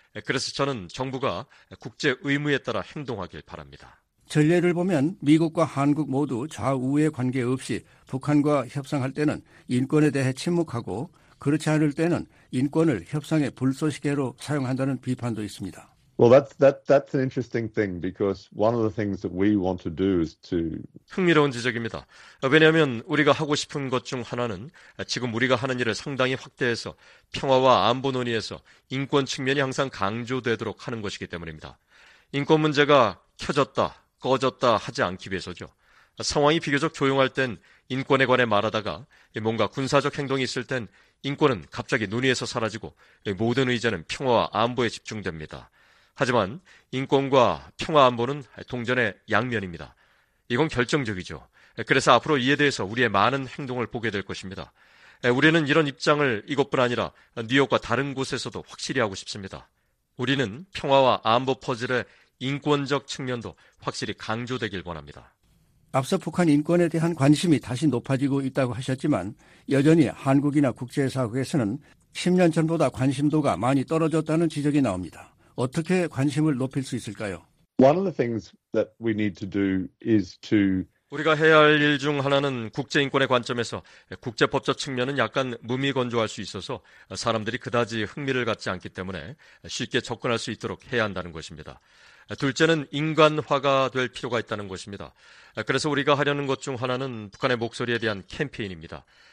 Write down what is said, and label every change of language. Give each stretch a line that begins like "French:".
Korean: 그래서 저는 정부가 국제 의무에 따라 행동하길 바랍니다. 전례를 보면 미국과 한국 모두 좌우의 관계 없이 북한과 협상할 때는 인권에 대해 침묵하고 그렇지 않을 때는 인권을 협상의 불쏘시개로 사용한다는 비판도 있습니다.
English: Well, that's an interesting thing because one of the things that we want to do is to
Korean: 흥미로운 지적입니다. 왜냐하면 우리가 하고 싶은 것 중 하나는 지금 우리가 하는 일을 상당히 확대해서 평화와 안보 논의에서 인권 측면이 항상 강조되도록 하는 것이기 때문입니다. 인권 문제가 켜졌다, 꺼졌다 하지 않기 위해서죠. 상황이 비교적 조용할 땐 인권에 관해 말하다가 뭔가 군사적 행동이 있을 땐 인권은 갑자기 논의에서 사라지고 모든 의제는 평화와 안보에 집중됩니다. 하지만 인권과 평화 안보는 동전의 양면입니다. 이건 결정적이죠. 그래서 앞으로 이에 대해서 우리의 많은 행동을 보게 될 것입니다. 우리는 이런 입장을 이것뿐 아니라 뉴욕과 다른 곳에서도 확실히 하고 싶습니다. 우리는 평화와 안보 퍼즐의 인권적 측면도 확실히 강조되길 원합니다. 앞서 북한 인권에 대한 관심이 다시 높아지고 있다고 하셨지만 여전히 한국이나 국제사회에서는 10년 전보다 관심도가 많이 떨어졌다는 지적이 나옵니다. 어떻게 관심을 높일 수 있을까요?
English: One of the things that we need to do is to
Korean: 우리가 해야 할 일 중 하나는 국제인권의 관점에서 국제법적 측면은 약간 무미건조할 수 있어서 사람들이 그다지 흥미를 갖지 않기 때문에 쉽게 접근할 수 있도록 해야 한다는 것입니다. 둘째는 인간화가 될 필요가 있다는 것입니다. 그래서 우리가 하려는 것 중 하나는 북한의 목소리에 대한 캠페인입니다.